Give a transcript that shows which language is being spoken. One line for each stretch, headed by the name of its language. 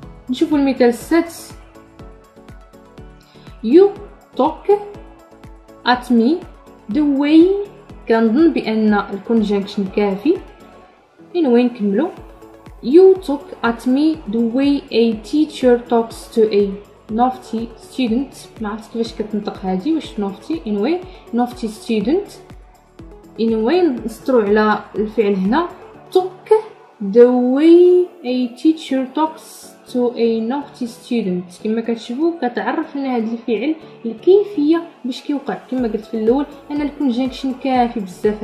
Arabic: نشوفوا المثال السادس.
English: You talk at me the way
Arabic: كنظن بان الكونجنكشن كافي فين وين نكملوا.
English: You talk at me the way a teacher talks to a نوفتي student.
Arabic: ما عرفت كيفاش كتنطق هادي واش نوفتي anyway.
English: نوفتي student anyway
Arabic: نستروا على الفعل هنا
English: talk the way a teacher talks to a naughty student.
Arabic: كما كتشوفوا كتعرف ان هذا الفعل الكيفيه باش كيوقع كما قلت في الاول ان الكونجكشن كافي بزاف.